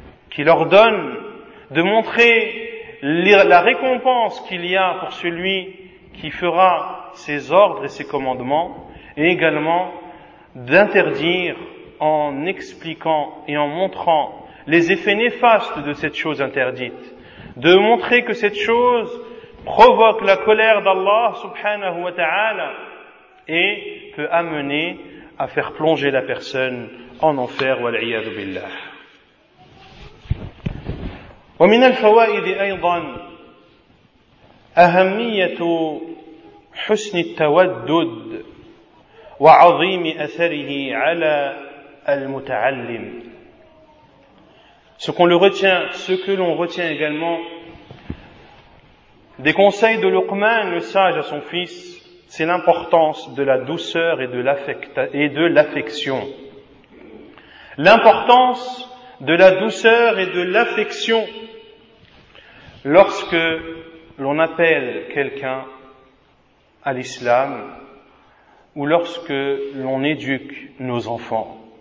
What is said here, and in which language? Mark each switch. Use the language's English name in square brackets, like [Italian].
[French] qu'il ordonne, de montrer la récompense qu'il y a pour celui qui fera ses ordres et ses commandements, et également d'interdire en expliquant et en montrant les effets néfastes de cette chose interdite, de montrer que cette chose provoque la colère d'Allah subhanahu wa ta'ala et peut amener à faire plonger la personne en enfer wa al-iyadu billah. [Arabic] ومن الفوائد ايضا اهميه حسن التودد وعظيم اثره على المتعلم. [French] Ce que l'on retient également des conseils de Luqman, le sage à son fils, c'est l'importance de la douceur et de l'affection. L'importance de la douceur et de l'affection lorsque l'on appelle quelqu'un à l'islam ou lorsque l'on éduque nos enfants.